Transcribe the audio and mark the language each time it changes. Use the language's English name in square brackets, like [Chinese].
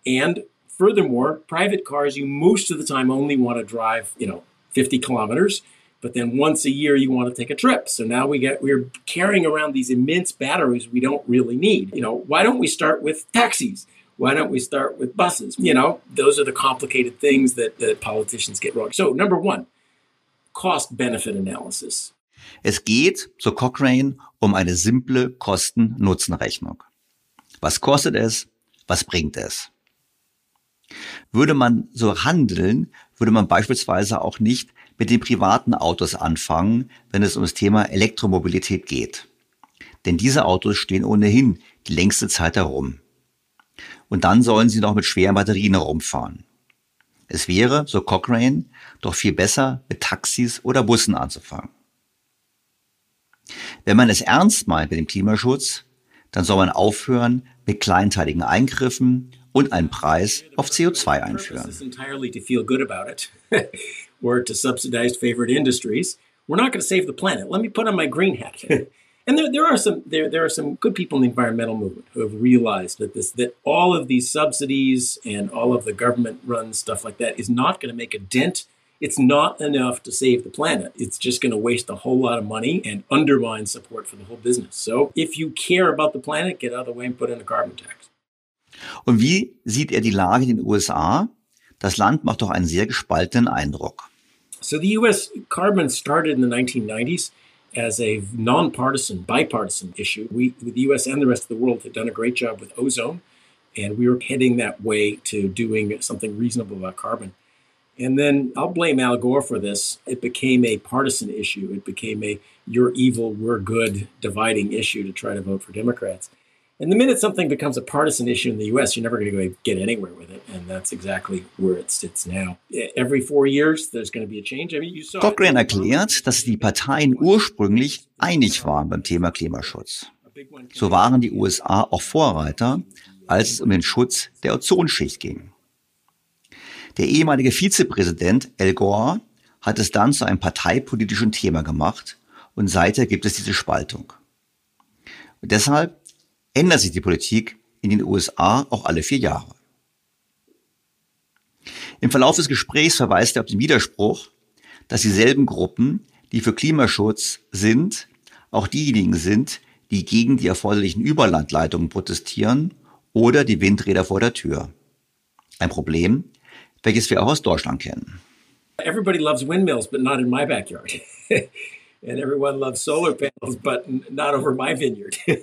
[English] And furthermore, private cars, you most of the time only want to drive, you know, 50 kilometers, but then once a year you want to take a trip. So now we're carrying around these immense batteries we don't really need. You know, why don't we start with taxis? Why don't we start with buses? You know, those are the complicated things that politicians get wrong. So number one, cost-benefit analysis. [German] Es geht, so Cochrane, um eine simple Kosten-Nutzen-Rechnung. Was kostet es? Was bringt es? Würde man so handeln, würde man beispielsweise auch nicht mit den privaten Autos anfangen, wenn es um das Thema Elektromobilität geht. Denn diese Autos stehen ohnehin die längste Zeit herum. Und dann sollen sie noch mit schweren Batterien herumfahren. Es wäre, so Cochrane, doch viel besser, mit Taxis oder Bussen anzufangen. Wenn man es ernst meint mit dem Klimaschutz, dann soll man aufhören mit kleinteiligen Eingriffen und einen Preis auf CO2 einführen. [English] It's entirely to feel good about it or to subsidize favorite industries. We're not going to save the planet. Let me put on my green hat. And there are some good people in the environmental movement who have realized that all of these subsidies and all of the government run stuff like that is not going to make a dent. It's not enough to save the planet. It's just going to waste a whole lot of money and undermine support for the whole business. So if you care about the planet, get out of the way and put in a carbon tax. [German] Und wie sieht die Lage in den USA? Das Land macht doch einen sehr gespaltenen Eindruck. [English] So the US carbon started in the 1990s as a nonpartisan, bipartisan issue. We, the US and the rest of the world had done a great job with ozone, and we were heading that way to doing something reasonable about carbon. And then I'll blame Al Gore for this. It became a partisan issue. It became a you're evil, we're good dividing issue to try to vote for Democrats. And the minute something becomes a partisan issue in the U.S., you're never going to get anywhere with it. And that's exactly where it sits now. Every 4 years, there's going to be a change. I mean, you saw [German] Cochrane erklärt, dass die Parteien ursprünglich einig waren beim Thema Klimaschutz. So waren die USA auch Vorreiter, als es um den Schutz der Ozonschicht ging. Der ehemalige Vizepräsident Al Gore hat es dann zu einem parteipolitischen Thema gemacht und seither gibt es diese Spaltung. Und deshalb ändert sich die Politik in den USA auch alle 4 Jahre. Im Verlauf des Gesprächs verweist er auf den Widerspruch, dass dieselben Gruppen, die für Klimaschutz sind, auch diejenigen sind, die gegen die erforderlichen Überlandleitungen protestieren oder die Windräder vor der Tür. Ein Problem, welches wir auch aus Deutschland kennen. [English] Everybody loves windmills, but not in my backyard. And everyone loves solar panels, but not over my vineyard.